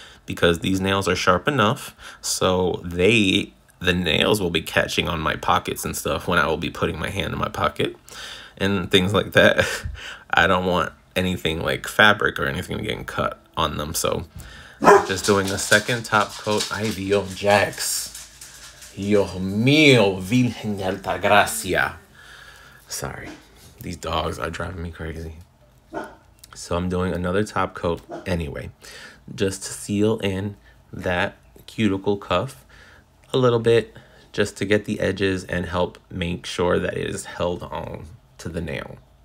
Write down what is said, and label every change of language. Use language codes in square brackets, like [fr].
[en] Because these nails are sharp enough, so the nails will be catching on my pockets and stuff when I will be putting my hand in my pocket and things like that. I don't want anything like fabric or anything getting cut on them, so just doing a second top coat. [es] Ay, Dios, Jax. Dios mío, Virgen de Alta Gracia. [en] Sorry, these dogs are driving me crazy. So I'm doing another top coat anyway. Just to seal in that cuticle cuff a little bit, just to get the edges and help make sure that it is held on to the nail.